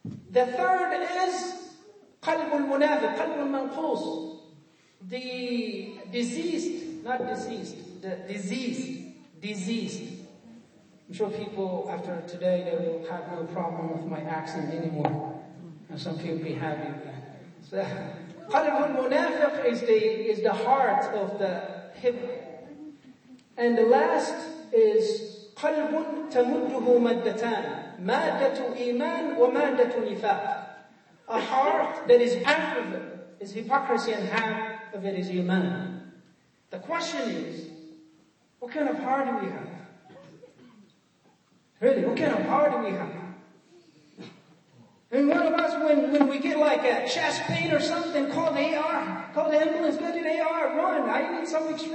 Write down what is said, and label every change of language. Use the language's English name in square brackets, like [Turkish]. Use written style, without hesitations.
[English] The third is [Arabic] قلب المنافق, قلب المنقوص, [English] the diseased, not deceased, the diseased. I'm sure people after today, they will have no problem with my accent anymore. And some people will be happy with that. So, [Arabic] قلب المنافق [English] is the heart of the hypocrite. And the last is [Arabic] قلب تمده مادتان, مادة إيمان ومادة نفاق. [English] A heart that is half of it is hypocrisy and half of it is iman. The question is, what kind of heart do we have? Really, what kind of heart do we have? And one of us, when we get like a chest pain or something, call the AR, call the ambulance, go to the AR, run. I need some X-rays.